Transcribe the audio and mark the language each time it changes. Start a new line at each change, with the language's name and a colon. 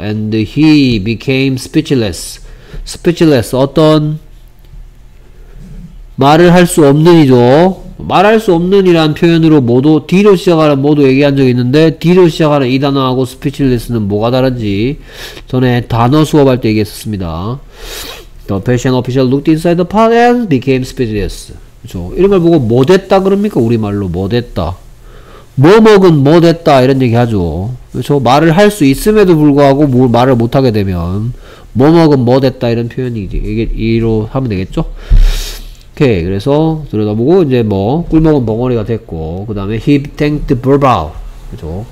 English: And he became speechless. Speechless
Korean: 어떤 말을 할 수 없는 이죠. 말할 수 없는 이란 표현으로 모두 D로 시작하는 모두 얘기한 적이 있는데 D로 시작하는 이 단어하고 speechless는 뭐가 다른지 전에 단어 수업할 때 얘기했었습니다.
English: The Persian official looked inside the pot and became speechless.
Korean: 그렇죠. 이런 걸 보고 뭐 됐다 그럽니까? 우리말로 뭐 됐다. 뭐 먹은 뭐 됐다 이런 얘기하죠. 그렇죠. 말을 할 수 있음에도 불구하고 뭘 말을 못하게 되면 뭐 먹은 뭐 됐다 이런 표현이지. 이게 이로 하면 되겠죠. 오케이. 그래서 들여다보고 이제 뭐 꿀먹은 벙어리가 됐고 그 다음에
English: he thanked verbal.
Korean: 그렇죠.